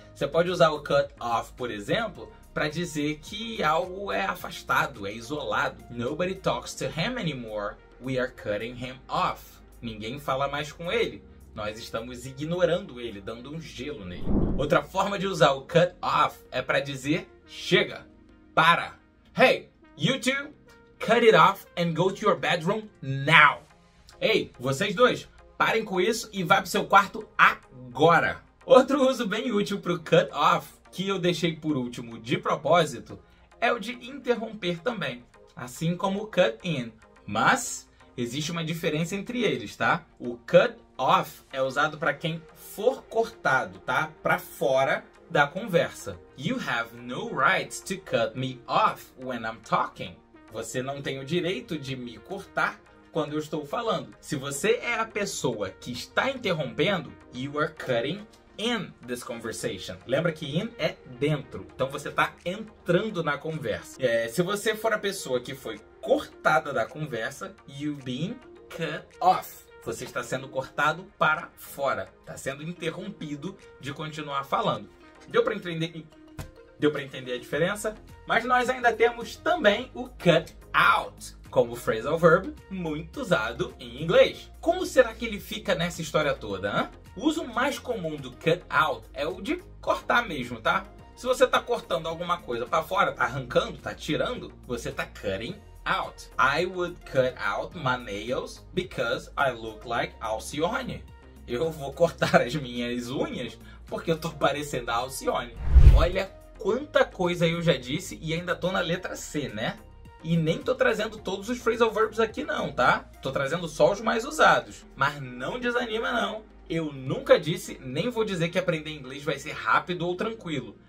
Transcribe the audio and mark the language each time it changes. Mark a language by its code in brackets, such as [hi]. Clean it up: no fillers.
[pt] Você pode usar o cut off, por exemplo, para dizer que algo é afastado, é isolado. [en] Nobody talks to him anymore. We are cutting him off. [pt] Ninguém fala mais com ele. Nós estamos ignorando ele, dando um gelo nele. Outra forma de usar o cut off é para dizer chega, para. [en] Hey, you two, cut it off and go to your bedroom now. [pt] Hey, vocês dois, parem com isso e vá pro seu quarto agora. Outro uso bem útil para o cut off, que eu deixei por último de propósito, é o de interromper também, assim como o cut in. Mas existe uma diferença entre eles, tá? O cut off é usado para quem for cortado, tá? Para fora da conversa. [en] You have no right to cut me off when I'm talking. [pt] Você não tem o direito de me cortar quando eu estou falando. Se você é a pessoa que está interrompendo, [en] you are cutting in this conversation. [pt] Lembra que in é dentro. Então você está entrando na conversa. É, se você for a pessoa que foi cortada da conversa, [en] you've been cut off. [pt] Você está sendo cortado para fora. Está sendo interrompido de continuar falando. Deu para entender a diferença? Mas nós ainda temos também o cut out como phrasal verb muito usado em inglês. Como será que ele fica nessa história toda, hein? O uso mais comum do cut out é o de cortar mesmo, tá? Se você tá cortando alguma coisa pra fora, tá arrancando, tá tirando, você tá cutting out. [en] I would cut out my nails because I look like Alcione. [pt] Eu vou cortar as minhas unhas porque eu tô parecendo a Alcione. Olha quanta coisa eu já disse e ainda tô na letra C, né? E nem tô trazendo todos os phrasal verbs aqui não, tá? Tô trazendo só os mais usados. Mas não desanima não. Eu nunca disse, nem vou dizer que aprender inglês vai ser rápido ou tranquilo.